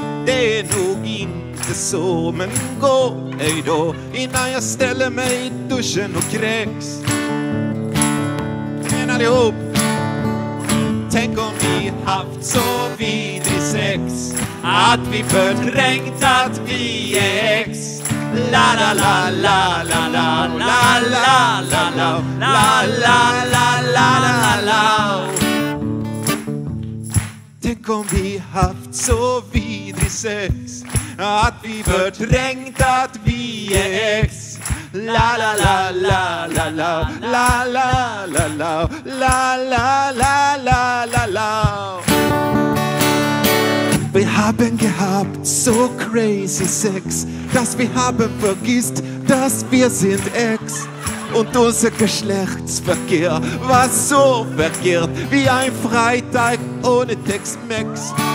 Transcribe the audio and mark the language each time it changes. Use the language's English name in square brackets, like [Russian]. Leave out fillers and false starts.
[Swedish] Det är nog inte så, men gå ej då innan jag ställer mig i duschen och kräks. Men allihop, tänk om vi haft så vidrig sex att vi förträngt att vi är ex. La la la la la la la la la la la la la la la la la. Tänk om vi haft så vidrig sex att vi förträngt att vi är ex. La la la la la la la la la la la la la la la la. [German] Vi haben gehabt so crazy sex, dass wir haben vergisst, dass wir sind ex. Und unser Geschlechtsverkehr war so verkehrt wie ein Freitag ohne Tex-Mex.